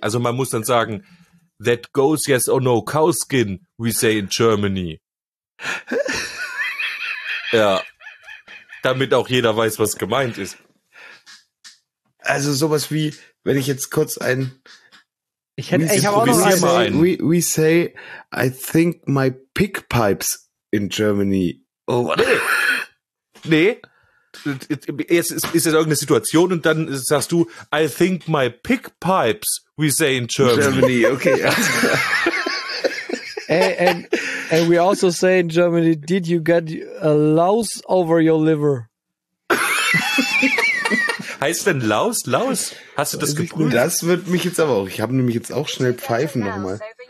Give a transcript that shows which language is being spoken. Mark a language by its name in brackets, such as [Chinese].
[German] Also man muss dann sagen, [English] that goes yes or no cow skin, we say in Germany. [German] Ja, damit auch jeder weiß, was gemeint ist. Also sowas wie, wenn ich jetzt kurz ein... [English] We say, I think my pig pipes in Germany. Oh, what? [German] Nee. Ist jetzt irgendeine Situation und dann sagst du, [English] I think my pig pipes we say in Germany. Germany, okay. And we also say in Germany, did you get a louse over your liver? [German] Heißt denn Laus? Laus? Hast du das geprüft? Das wird mich jetzt aber auch. Ich habe nämlich jetzt auch schnell Pfeifen nochmal.